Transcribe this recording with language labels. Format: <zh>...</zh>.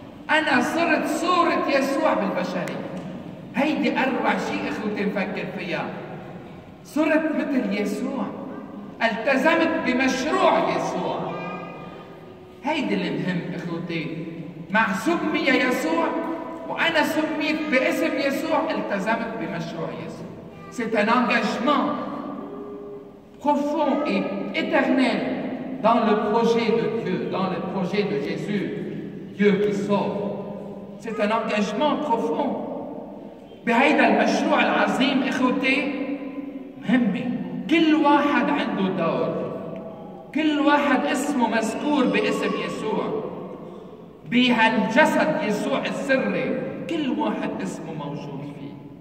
<ar>أنا صرت صورة يسوع بالبشرية. هيدي أروع شيء أخوتي نفكر فيها. صرت مثل يسوع، التزمت بمشروع يسوع. هيدي المهم أخوتي، مع سمي يسوع وأنا سميت باسم يسوع، التزمت بمشروع يسوع.</ar> <fr>سيت ان انجاجمون profond et éternel dans le projet de Dieu, dans le projet de Jésus, Dieu qui sauve. C'est un engagement profond.</fr> <ar>بهيدا المشروع العظيم اخوتي مهم. كل واحد عنده دور، كل واحد اسمه مذكور باسم يسوع بهالجسد يسوع السري، كل واحد اسمه موجود فيه.</ar>